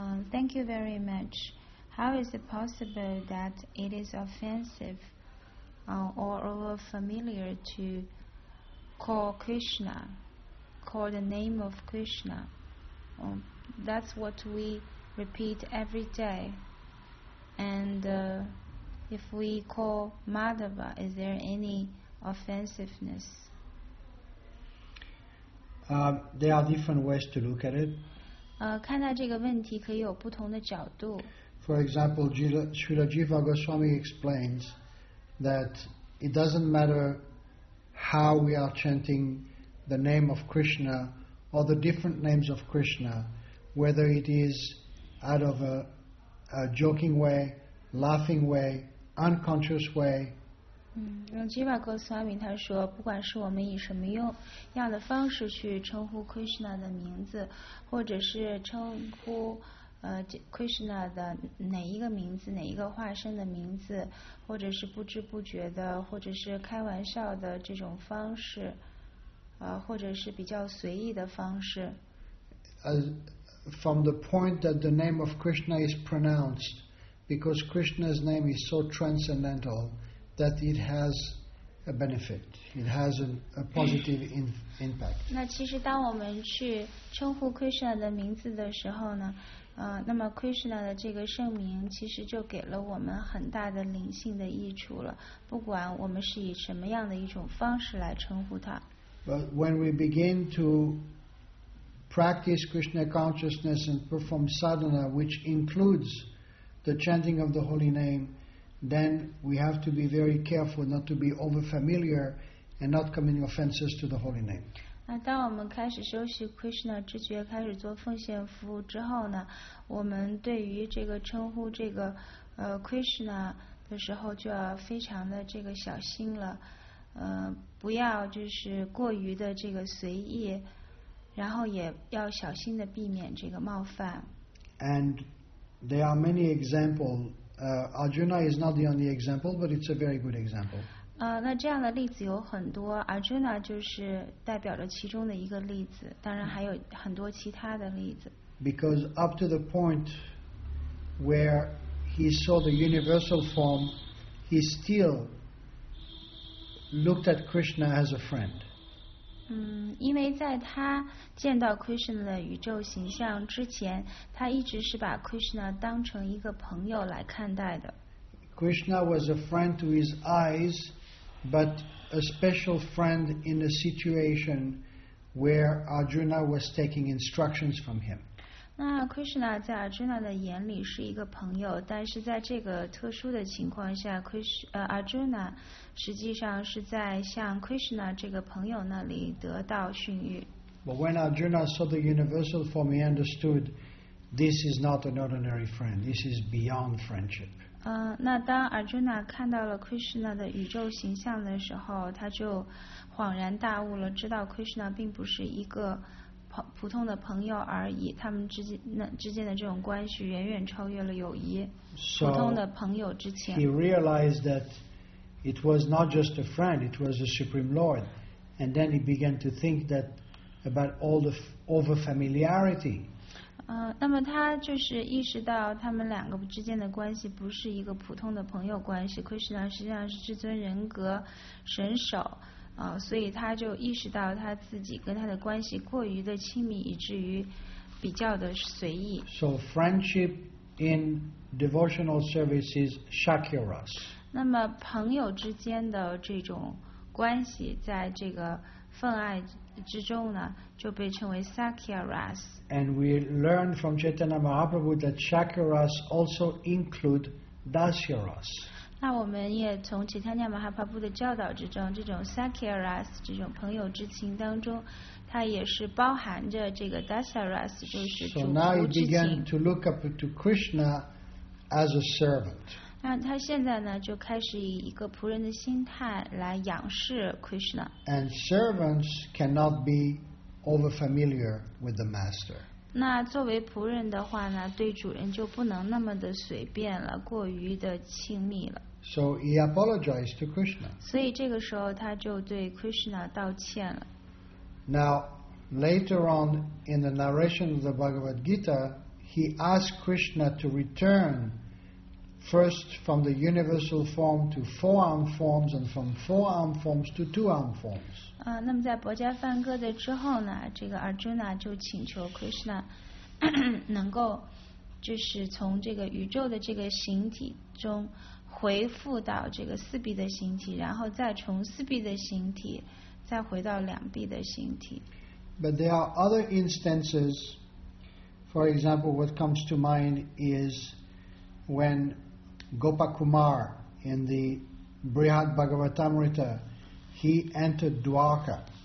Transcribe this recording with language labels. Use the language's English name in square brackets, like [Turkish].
[English] Thank you very much. How is it possible that it is offensive or familiar to call Krishna, call the name of Krishna? That's what we repeat every day. And if we call Madhava, is there any offensiveness? There are different ways to look at it. [Chinese] 看待这个问题可以有不同的角度。 [English] For example, Srila Jiva Goswami explains that it doesn't matter how we are chanting the name of Krishna or the different names of Krishna, whether it is out of a joking way, laughing way, unconscious way. [Chinese] Jiva Goswami 他说，不管是我们以什么样的方式去称呼 Krishna 的名字，或者是称呼Krishna 的哪一个名字，哪一个化身的名字，或者是不知不觉的，或者是开玩笑的这种方式，或者是比较随意的方式。 [English] As from the point that the name of Krishna is pronounced, because Krishna's name is so transcendental that it has a benefit, it has a positive impact. [Chinese] 那其实当我们去称呼 Krishna 的名字的时候呢？那么 Krishna 的这个圣名其实就给了我们很大的灵性的益处了，不管我们是以什么样的一种方式来称呼它。 [English] But when we begin to practice Krishna consciousness and perform sadhana, which includes the chanting of the holy name, then we have to be very careful not to be over familiar and not committing offenses to the holy name. [Chinese] 那当我们开始修习 Krishna 之觉，开始做奉献服务之后呢，我们对于这个称呼这个Krishna 的时候就要非常的这个小心了，不要就是过于的这个随意，然后也要小心的避免这个冒犯。 [English] And there are many examples. Arjuna is not the only example, but it's a very good example. [Chinese] 那这样的例子有很多， Arjuna 就是代表着其中的一个例子，当然还有很多其他的例子。 [English] Because up to the point where he saw the universal form, he still looked at Krishna as a friend. [Chinese] 因为在他见到 Krishna 的宇宙形象之前，他一直是把 Krishna 当成一个朋友来看待的。 [English] Krishna was a friend to his eyes, but a special friend in a situation where Arjuna was taking instructions from him. [Chinese] 那 Krishna 在 Arjuna 的眼里是一个朋友，但是在这个特殊的情况下， Arjuna 实际上是在向 Krishna 这个朋友那里得到训谕。 [English] But when Arjuna saw the universal form, he understood this is not an ordinary friend. This is beyond friendship. [Chinese] 那当 Arjuna 看到了 Krishna 的宇宙形象的时候，他就恍然大悟了，知道 Krishna 并不是一个普通的朋友而已，他们之间的这种关系远远超越了友谊， [English] so, [Chinese] 普通的朋友之前。 [English] He realized that it was not just a friend, it was a supreme lord. And then he began to think that about all the over-familiarity. [Chinese] 那么他就是意识到他们两个之间的关系不是一个普通的朋友关系， Krishna 实际上是至尊人格神首，所以他就意识到他自己跟他的关系过于的亲密，以至于比较的随意。 [English] So friendship in devotional service is shakyaras. [Chinese] 那么朋友之间的这种关系在这个分爱之中呢，就被称为 Sakya Ras. [English] And we learn from Chaitanya Mahaprabhu that Sakya Ras also include Dasya Ras. [Chinese] 那我们也从 Chaitanya Mahaprabhu 的教导之中，这种 Sakya Ras 这种朋友之情当中，它也是包含着这个 Dasya Ras， 就是主仆之情。 [English] So now he began to look up to Krishna as a servant. [Chinese] 那他现在呢，就开始以一个仆人的心态来仰视 Krishna. [English] And servants cannot be over familiar with the master. [Chinese] 那作为仆人的话呢，对主人就不能那么的随便了，过于的亲密了。 [English] So he apologized to Krishna. [Chinese] 所以这个时候他就对 Krishna 道歉了。 [English] Now, later on in the narration of the Bhagavad Gita, he asked Krishna to return first from the universal form to four-armed forms and from four-armed forms to two-armed forms. [Chinese] 那么在《薄伽梵歌》的之后呢，这个 Arjuna 就请求 Krishna 能够就是从这个宇宙的这个形体中回复到这个四臂的形体，然后再从四臂的形体再回到两臂的形体。 [English] But there are other instances. For example, what comes to mind is when Gopakumar in the Brihad Bhagavatamrita, he entered Dwarka.